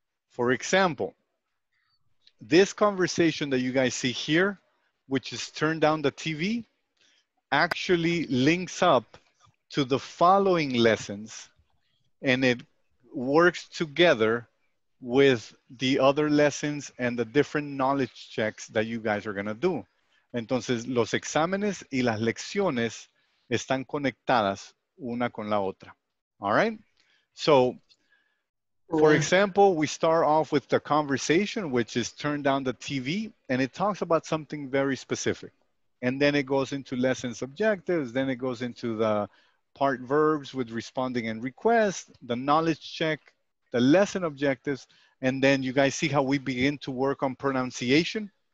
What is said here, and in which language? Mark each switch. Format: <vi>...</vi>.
<en>For example, this conversation that you guys see here, which is turn down the TV, actually links up to the following lessons and it works together with the other lessons and the different knowledge checks that you guys are going to do.</en> <es>Entonces, los exámenes y las lecciones están conectadas una con la otra.</es> <en>All right? So, for example, we start off with the conversation, which is turn down the TV, and it talks about something very specific. And then it goes into lessons objectives, then it goes into the part verbs with responding and request, the knowledge check, the lesson objectives, and then you guys see how we begin to work on pronunciation.</en>